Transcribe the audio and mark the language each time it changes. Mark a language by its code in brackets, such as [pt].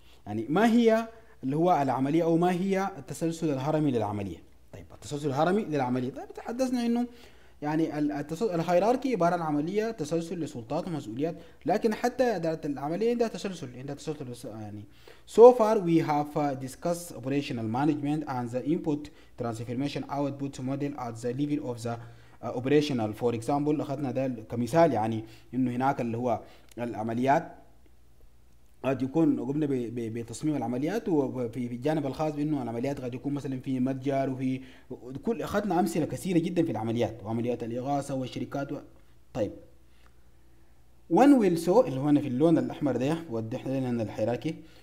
[ar] يعني ما هي اللي هو العملية أو ما هي التسلسل الهرمي للعملية؟ طيب التسلسل الهرمي للعملية. طيب تحدثنا إنه يعني الهيراركي عبارة عن عملية تسلسل لسلطات ومسؤوليات، لكن حتى إدارة العملية عندها تسلسل، عندها تسلسل يعني. [en] So far we have discussed operational management and the input transformation output model at the level of the operational. For example [ar] اخذنا ده كمثال، يعني انه هناك اللي هو العمليات قد يكون قمنا بتصميم العمليات، وفي الجانب الخاص بانه العمليات قد يكون مثلا في متجر وفي كل اخذنا امثله كثيره جدا في العمليات وعمليات الاغاثه والشركات طيب [en] when we saw [ar] اللي هو هنا في اللون الاحمر ده وضح لنا الحراكي.